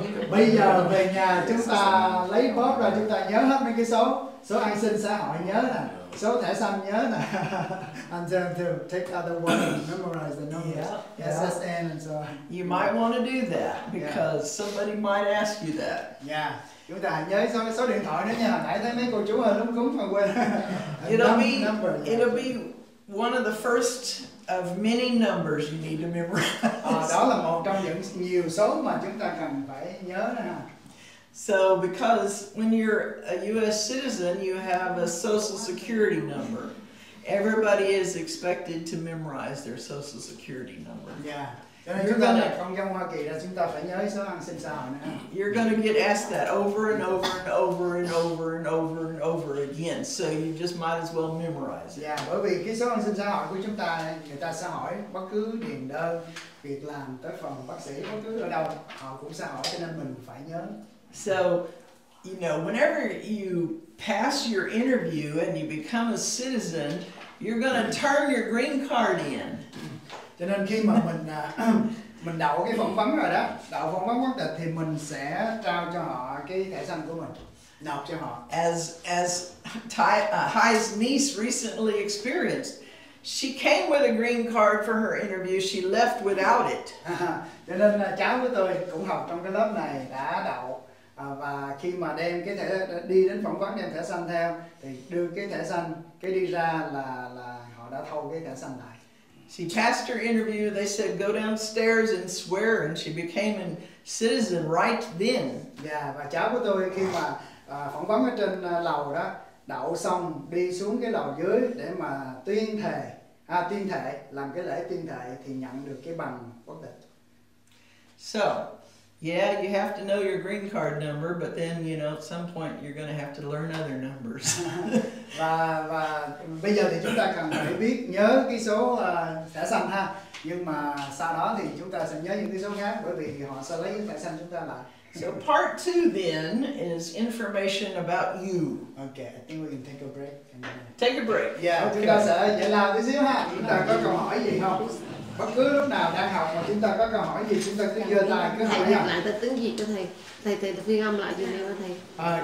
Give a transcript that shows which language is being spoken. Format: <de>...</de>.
<vi>Bây giờ về nhà chúng ta lấy bóp ra, chúng ta nhớ hết mấy cái số. Số an sinh xã hội nhớ nè. Số thẻ xanh nhớ nè.</vi> <en>And then to take out the one and memorize the number. Yeah. SSN and so on. You might want to do that because somebody might ask you that. Yeah.</en> <vi>Chúng ta nhớ số điện thoại nữa nha. Nãy thấy mấy cô chú ở lúng cúng mà quên.</vi> <en>It'll be one of the first of many numbers you need to memorize.</en> <vi>Đó là một trong những nhiều số mà chúng ta cần phải nhớ nè.</vi> <en>So, because when you're a U.S. citizen, you have a social security number. Everybody is expected to memorize their social security number. You're going to get asked that over and over and over and over and over and over again. So you just might as well memorize it.</en> <vi>Yeah, bởi vì cái số an sinh xã hội của chúng ta, người ta sẽ hỏi bất cứ điền đơn, việc làm tới phòng bác sĩ, bất cứ ở đâu, họ cũng sẽ hỏi, cho nên mình phải nhớ.</vi> <en>So, you know, whenever you pass your interview and you become a citizen, you're going to turn your green card in.</en> <vi>Cho nên khi mà mình đậu cái phỏng vấn rồi đó, đậu phỏng vấn quốc tịch thì mình sẽ trao cho họ cái thẻ xanh của mình, nộp cho họ.</vi> <en>As Hai's niece recently experienced, she came with a green card for her interview, she left without it.</en> <vi>Cho nên cháu của tôi cũng học trong cái lớp này đã đậu. Và khi mà đem cái thẻ đi đến phỏng vấn đem thẻ xanh theo thì đưa cái thẻ xanh cái đi ra là họ đã thâu cái thẻ xanh lại.</vi> <en>She passed her interview, they said go downstairs and swear, and she became a citizen right then.</en> <vi>Yeah, và cháu của tôi khi mà phỏng vấn ở trên lầu đó đậu xong đi xuống cái lầu dưới để mà tuyên thệ làm cái lễ tuyên thệ thì nhận được cái bằng quốc tịch.</vi> <en>So yeah, you have to know your green card number, but then, you know, at some point you're going to have to learn other numbers.</en> <vi>và bây giờ thì chúng ta cần phải biết nhớ cái số thẻ xanh ha. Nhưng mà sau đó thì chúng ta sẽ nhớ những cái số khác bởi vì họ sẽ lấy thẻ xanh chúng ta lại.</vi> <en>So part two then is information about you. Okay, I think we can take a break. Take a break. Yeah, okay.</en> <vi>Chúng ta sẽ giải lao tí xíu ha. Chúng ta có câu hỏi gì không? Bất cứ lúc nào đang học mà chúng ta có câu hỏi gì chúng ta cứ giơ tay cứ hỏi nhá. Lại tập tiếng Việt cho thầy phiên âm lại cho nghe cho thầy.</vi>